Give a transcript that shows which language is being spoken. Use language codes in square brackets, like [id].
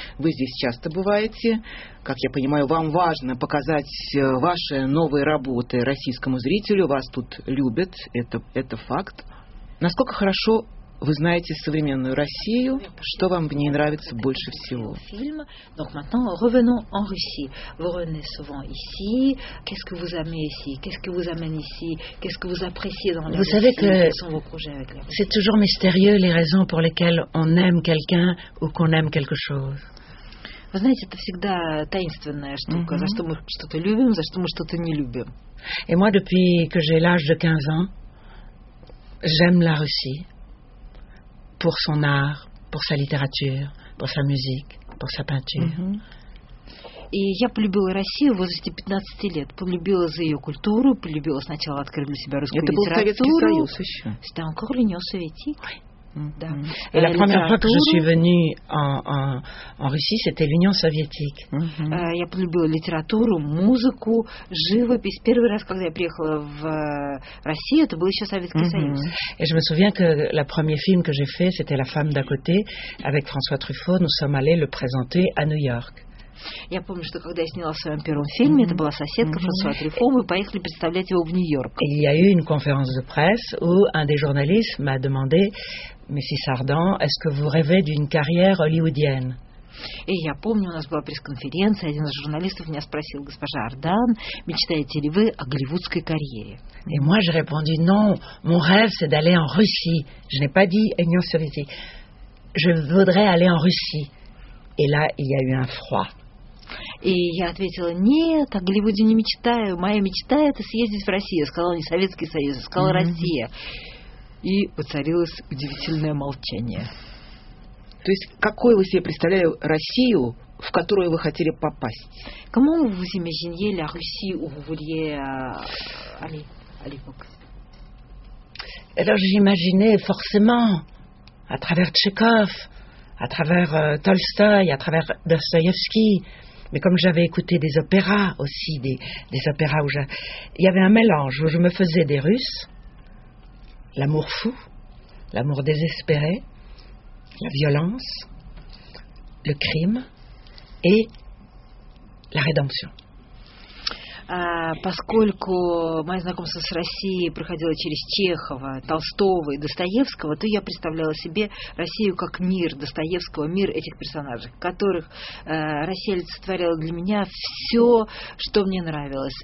[ru] Вы здесь часто бываете. Как я понимаю, вам важно показать ваши новые работы российскому зрителю. Вас тут любят. Это факт. Насколько хорошо вы знаете современную Россию? Что вам в ней нравится больше всего? [fr] Фильм. Donc maintenant, revenons en Russie. Vous revenez souvent ici. Qu'est-ce que vous aimez ici? Qu'est-ce que vous amène ici? Qu'est-ce que vous appréciez dans la Russie? Vous savez que c'est toujours mystérieux les raisons pour lesquelles on aime quelqu'un ou qu'on aime quelque chose. [ru] Вы знаете, это всегда таинственная штука, за что мы что-то любим, за что мы что-то не любим. [fr] Et moi depuis que j'ai l'âge de 15 ans, j'aime la Russie. Pour son art, pour sa littérature, pour sa musique, pour sa peinture. [ru] И я полюбила Россию в возрасте 15 лет. Полюбила за ее культуру, полюбила сначала открыть для себя русскую литературу. Это был Советский Союз еще. [fr] C'était encore l'Union Soviétique. [ru] Да. [fr] Et la première fois que je suis venue en Russie, c'était l'Union Soviétique. [ru] Я полюбила литературу, музыку, живопись. Первый раз, когда я приехала в Россию, это был еще Советский Союз. [fr] Et je me souviens que le premier film que j'ai fait, c'était La femme d'à côté, avec François Truffaut, nous sommes allés le présenter à New York. [ru] Я помню, что когда я сняла в своем первом фильме, это была соседка Франсуа Трюфо, мы поехали представлять его в Нью-Йорк. [fr] Il y a eu une conférence de presse où un des journalistes m'a demandé: «Миссис Ардан, est-ce que vous rêvez d'une carrière hollywoodienne?» [ru] И я помню, у нас была пресс-конференция, один из журналистов меня спросил: «Госпожа Ардан, мечтаете ли вы о голливудской карьере?» [fr] Et moi j'ai répondu: «Non, mon rêve c'est d'aller en Russie. Je n'ai pas dit Union Soviétique. Je voudrais aller en Russie. Et là, il y a eu un froid. [ru] И я ответила, нет, о Голливуде не мечтаю. Моя мечта – это съездить в Россию. Я сказала, не Советский Союз, я сказала, Россия. И воцарилось удивительное молчание. То есть, какой вы себе представляли Россию, в которую вы хотели попасть? Кому вы имеете ли о России, о Гуле, Алипокс? [fr] Alors, j'imaginais forcément, à travers Tchekhov, à travers Tolstoï, à travers Dostoïevski. Mais comme j'avais écouté des opéras aussi, des opéras où il y avait un mélange où je me faisais des Russes, l'amour fou, l'amour désespéré, la violence, le crime et la rédemption. [ru] Поскольку мое знакомство с Россией проходило через Чехова, Толстого и Достоевского, то я представляла себе Россию как мир Достоевского, мир этих персонажей, которых Россия олицетворяла для меня все, что мне нравилось.